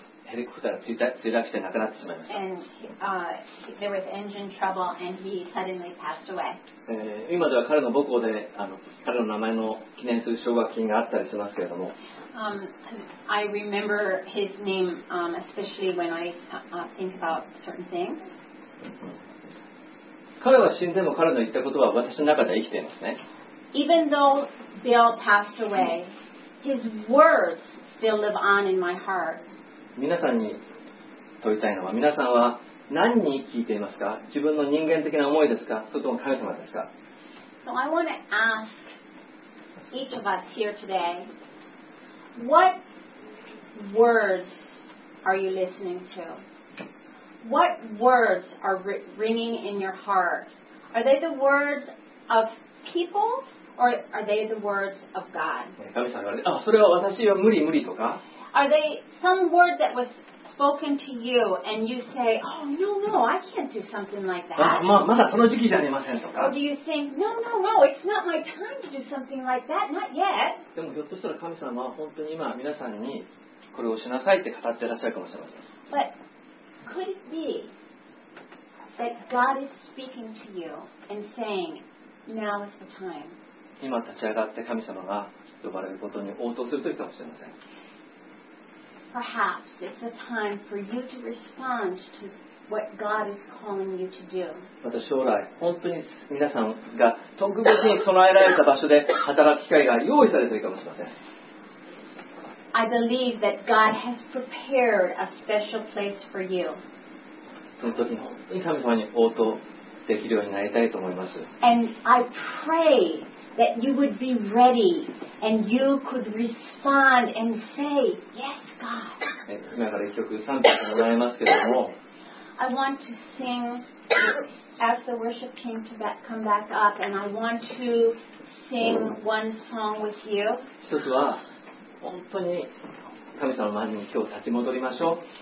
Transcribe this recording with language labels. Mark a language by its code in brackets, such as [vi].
[ja] ヘリコプターが墜落して亡くなってしまいました。 [en] And, there was engine trouble and he suddenly passed away. [ja] 今では彼の母校で彼の名前の記念する奨学金があったりしますけれども。 [en] I remember his name, especially when I think about certain things. [ja] 彼は死んでも彼の言ったことは私の中で生きていますね。 [en] Even though Bill passed away, his words still live on in my heart. [ja] 皆さんに問いたいのは、皆さんは何に聞いていますか？自分の人間的な思いですか？それとも神様ですか？ [en] So I want to ask each of us here today, what words are you listening to? What words are ringing in your heart? Are they the words of people or are they the words of God? [ja] 神様が、それは私は無理無理とか。 [en] Are they some word that was spoken to you and you say, oh, no, no, I can't do something like that. [ja] まだその時期じゃありませんとか。 [en] Or do you think, no, no, no, it's not my time to do something like that, not yet. [ja] でもひょっとしたら神様は本当に今皆さんにこれをしなさいって語ってらっしゃるかもしれません。 [en] But could it be that God is speaking to you and saying, now is the time. [ja] 今立ち上がって神様が呼ばれることに応答するといいかもしれません。 [en] Perhaps it's a time for you to respond to what God is calling you to do. [ja] また将来、本当に皆さんが特別に備えられた場所で働く機会が用意されているかもしれません。 [en] I believe that God has prepared a special place for you. [ja] その時に本当に神様に応答できるようになりたいと思います。 [en] And I pray that you would be ready and you could respond and say, yes. [ja] 今から一曲賛美してもらいますけれども [en] I want to sing as the worship team to come back up and I want to sing one song with you [ja] 一つは本当に神様の前に今日立ち戻りましょう